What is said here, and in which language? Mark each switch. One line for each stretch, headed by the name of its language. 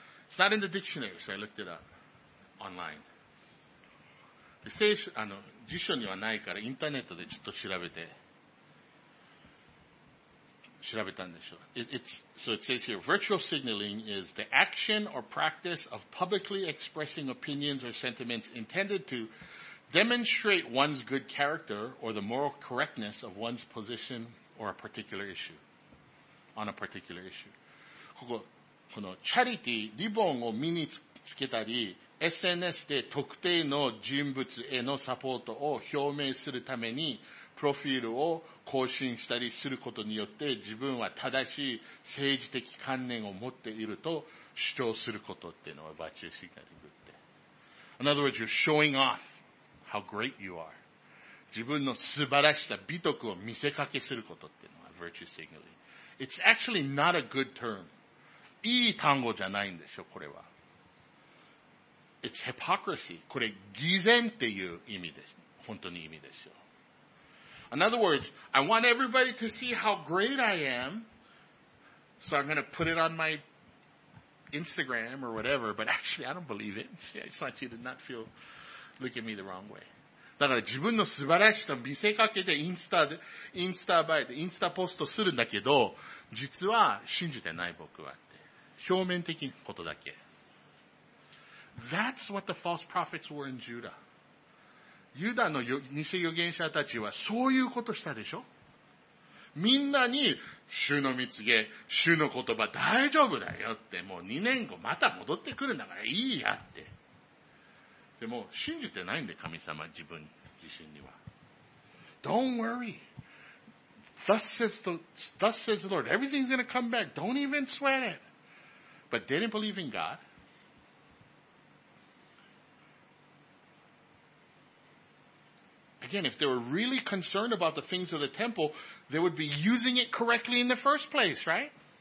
English: It's not in the dictionary, so I looked it up online.
Japanese: で、聖書、辞書にはないからインターネットでちょっと調べて。調べたんでしょう。
English: So it says here, virtual signaling is the action or practice of publicly expressing opinions or sentiments intended to demonstrate one's good character or the moral correctness of one's position or a particular issue. On a particular issue.
Japanese: ここ、このチャリティ、リボンを身につけたり、SNS で特定の人物へのサポートを表明するために、プロフィールを更新したりすることによって自分は正しい政治的観念を持っていると主張することっていうのはバチューシグナリングって。
English: In other words, you're showing off how great you are.
Japanese: 自分の素晴らしさ、美徳を見せかけすることっていうのは virtue signaling.
English: It's actually not a good term.
Japanese: いい単語じゃないんでしょ、これは。
English: It's hypocrisy.
Japanese: これ偽善っていう意味です。本当に意味ですよ。
English: In other words, I want everybody to see how great I am, so I'm going to put it on my Instagram or whatever, but actually I don't believe it. I just want you to not feel, look at me the wrong way.
Japanese: だから自分の素晴らしさを見せかけてインスタポストするんだけど、実は信じてない僕はって。表面的なことだけ。
English: That's what the false prophets were in Judah.
Japanese: ユダの偽預言者たちはそういうことしたでしょ? みんなに、主の見つけ、主の言葉大丈夫だよって、もう2年後また戻ってくるんだからいいやって。でも、信じてないんで神様自分自身には。
English: Don't worry. Thus says the Lord, everything's gonna come back. Don't even sweat it. But they didn't believe in God. Again, if they were really concerned about the things of the temple, they would be using it correctly in the first place, right?